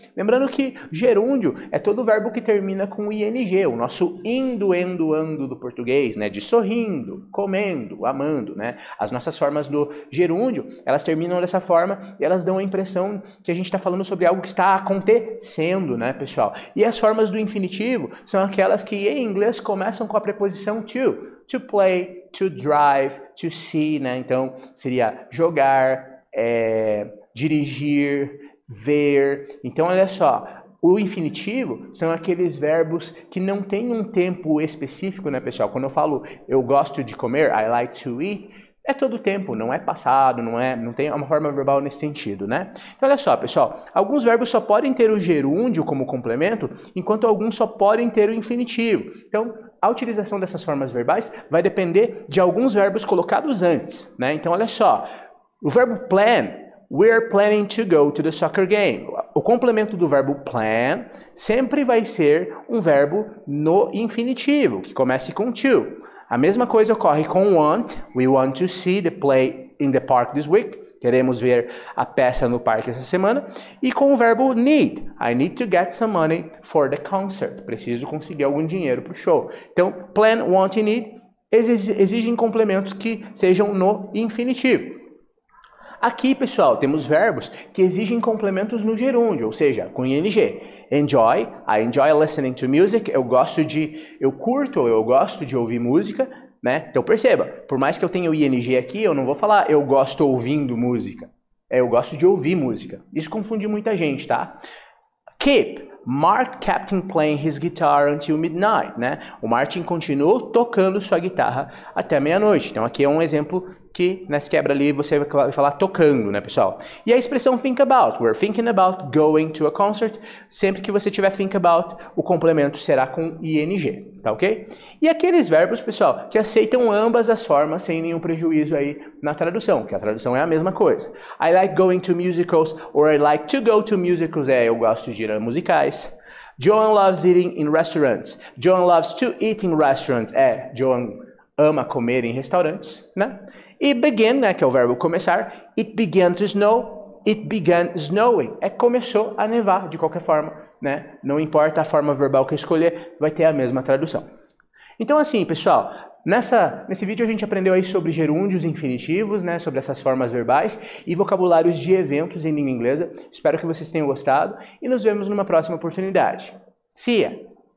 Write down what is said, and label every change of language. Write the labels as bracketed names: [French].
[Portuguese] Lembrando que gerúndio é todo verbo que termina com ing, o nosso indo, endo, ando do português, né? De sorrindo, comendo, amando, né? As nossas formas do gerúndio, elas terminam dessa forma e elas dão a impressão que a gente está falando sobre algo que está acontecendo, né, pessoal? E as formas do infinitivo são aquelas que em inglês começam com a preposição to. [English] To play, to drive, to see, né? [Portuguese] Então seria jogar, dirigir, ver. Então olha só, o infinitivo são aqueles verbos que não têm um tempo específico, né, pessoal? Quando eu falo eu gosto de comer, [English] I like to eat, [Portuguese] é todo tempo, não é passado, não tem uma forma verbal nesse sentido, né? Então olha só, pessoal, alguns verbos só podem ter o gerúndio como complemento, enquanto alguns só podem ter o infinitivo. Então a utilização dessas formas verbais vai depender de alguns verbos colocados antes, né? Então, olha só. O verbo [English] plan, we are planning to go to the soccer game. [Portuguese] O complemento do verbo plan sempre vai ser um verbo no infinitivo, que comece com to. A mesma coisa ocorre com [English] want, we want to see the play in the park this week. [Portuguese] Queremos ver a peça no parque essa semana. E com o verbo need. [English] I need to get some money for the concert. [Portuguese] Preciso conseguir algum dinheiro para o show. Então, plan, want e need exigem complementos que sejam no infinitivo. Aqui, pessoal, temos verbos que exigem complementos no gerúndio, ou seja, com ing. [English] Enjoy. I enjoy listening to music. [Portuguese] Eu curto ou eu gosto de ouvir música. Né? Então perceba, por mais que eu tenha o ING aqui, eu não vou falar eu gosto ouvindo música. É eu gosto de ouvir música. Isso confunde muita gente, tá? [English] Keep. Mark kept playing his guitar until midnight. [Portuguese] Né? O Martin continuou tocando sua guitarra até meia-noite. Então aqui é um exemplo que nessa quebra ali você vai falar tocando, né, pessoal? E a expressão think about. [English] We're thinking about going to a concert. [Portuguese] Sempre que você tiver think about, o complemento será com ING. Tá ok? E aqueles verbos, pessoal, que aceitam ambas as formas sem nenhum prejuízo aí na tradução, que a tradução é a mesma coisa. [English] I like going to musicals, or I like to go to musicals, [Portuguese] eu gosto de ir a musicais. [English] Joan loves eating in restaurants. Joan loves to eat in restaurants, [Portuguese] Joan ama comer em restaurantes, [English] né? [Portuguese] E begin, né, que é o verbo começar. [English] It began to snow, it began snowing. [Portuguese] Começou a nevar, de qualquer forma. Né? Não importa a forma verbal que eu escolher, vai ter a mesma tradução. Então, assim, pessoal, nesse vídeo a gente aprendeu aí sobre gerúndios e infinitivos, né? Sobre essas formas verbais e vocabulários de eventos em língua inglesa. Espero que vocês tenham gostado e nos vemos numa próxima oportunidade. [English] See ya!